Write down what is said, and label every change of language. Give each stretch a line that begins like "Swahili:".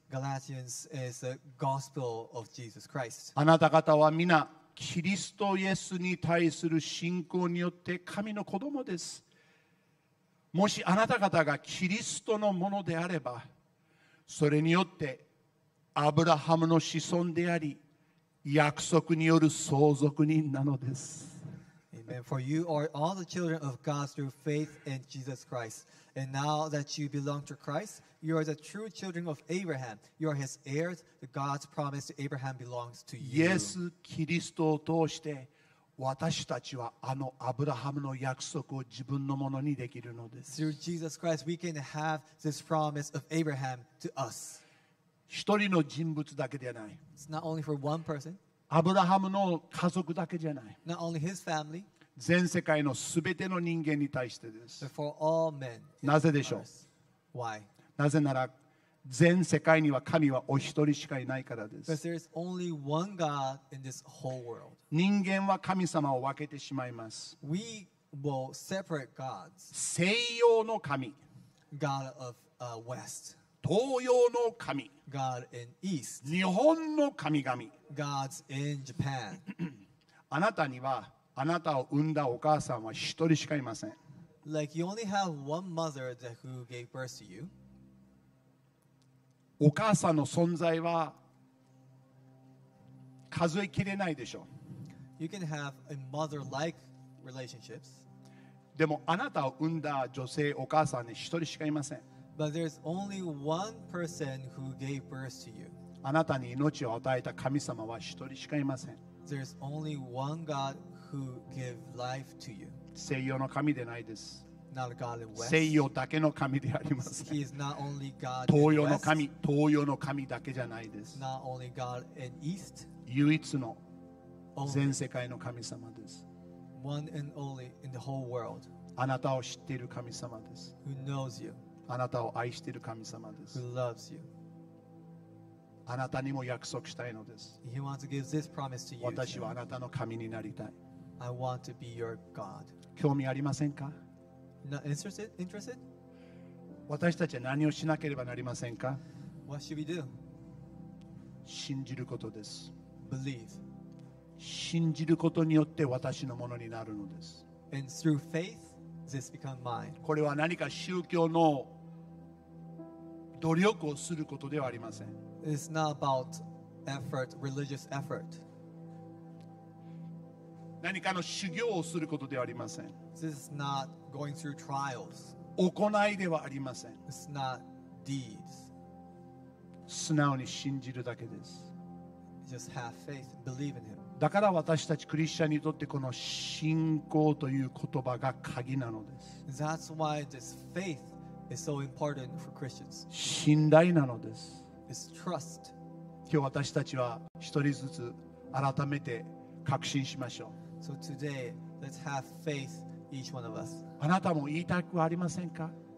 English: Galatians is the gospel of Jesus Christ.
Japanese: あなた方は皆、キリストイエスに対する信仰によって神の子供です。もしあなた方がキリストのものであれば、それによってアブラハムの子孫であり、約束による相続人なのです。
English: And for you are all the children of God through faith in Jesus Christ. And now that you belong to Christ, you are the true children of Abraham. You are his heirs. The God's promise to Abraham belongs to you.
Japanese: イエス・キリストを通して私たちはあのアブラハムの約束を自分のものにできるのです。
English: Through Jesus Christ, we can have this promise of Abraham to us.
Japanese: 一人の人物だけではない。
English: It's not only for one person.
Japanese: アブラハムの家族だけじゃない。
English: Not only his family,
Japanese: 全世界のすべての人間に対してです。
English: But for all men,
Japanese: なぜでしょう
English: Why?
Japanese: なぜなら、全世界には神はお一人しかいないからです。
English: But there is only one God in this whole world.
Japanese: 人間は神様を分けてしまいます。
English: We will separate gods.
Japanese: 西洋の神。
English: God of West.
Japanese: 東洋の神、
English: God in East.
Japanese: 日本の神々、
English: Gods in Japan.
Japanese: あなたにはあなたを産んだお母さんは一人しかいません。
English: Like you only have one mother that who gave birth to you.
Japanese: お母さんの存在は数え切れないでしょう。
English: You can have a mother-like relationships.
Japanese: でもあなたを産んだ女性お母さんに一人しかいません。
English: But there's only one person who gave birth to you.
Japanese: あなたに命を与えた神様は一人しかいません。
English: There's only one God who gave life to you.
Japanese: 西洋の神でないです。
English: Not a God in West.
Japanese: 西洋だけの神でありません。
English: He is not only God
Japanese: 東洋の神、東洋の神だけじゃないです。
English: Not only God in East.
Japanese: 唯一の全世界の神様です。
English: One and only in the whole world.
Japanese: あなたを知っている神様です。
English: Who knows you.
Japanese: あなたを愛している神様です。
English: Who loves you.
Japanese: あなたにも約束したいのです。
English: He wants to give this promise to you.
Japanese: 私はあなたの神になりたい。
English: I want to be your God.
Japanese: 興味ありませんか?
English: Not interested? Interested?
Japanese: 私たちは何をしなければなりませんか?
English: What should we do?
Japanese: 信じることです。
English: Believe.
Japanese: 信じることによって私のものになるのです。
English: And through faith? This become mine.
Japanese: これは何か宗教の努力をすることではありません。
English: It's not about effort, religious effort.
Japanese: 何かの修行をすることではありません。
English: This is not going through trials.
Japanese: 行いではありません。
English: It's not deeds.
Japanese: 素直に信じるだけです。
English: Just have faith, believe in him.
Japanese: だから私たちクリスチャンにとってこの信仰という言葉が鍵なのです。
English: That's why this faith is so important for Christians.
Japanese: 信頼なのです。
English: It's trust.
Japanese: 今日私たちは一人ずつ改めて確信しましょう。
English: So today, let's have faith, each one of us.
Japanese: あなたも言いたくありませんか?